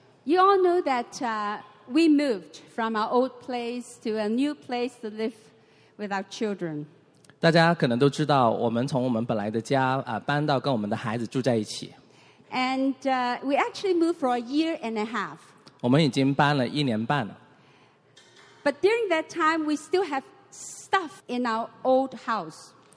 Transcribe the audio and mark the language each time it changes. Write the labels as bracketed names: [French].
[English] You all know that we moved from our old place to a new place to live with our children. [Chinese] 大家可能都知道，我们从我们本来的家搬到跟我们的孩子住在一起。 [English] And we actually moved for a year and a half. [Chinese] 我们已经搬了1年半了。But [English] during that time, we still have stuff in our old house.